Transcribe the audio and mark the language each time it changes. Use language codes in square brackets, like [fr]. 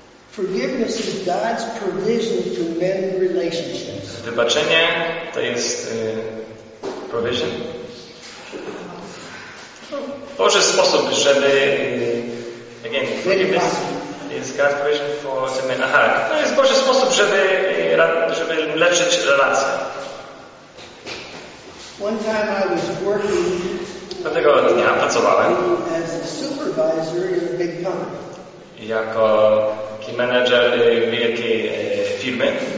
[en] Forgiveness is God's provision to mend relationships. [pl] Wybaczenie to jest provision. Boży sposób, żeby [en] again, forgiveness is God's provision for to mend. [pl] Aha, to jest Boży sposób, żeby leczyć relacje. [en] One time I was working. [pl] Pewnego dnia pracowałem [en] as a supervisor in a big company. [pl] Jako key manager wielkiej firmy.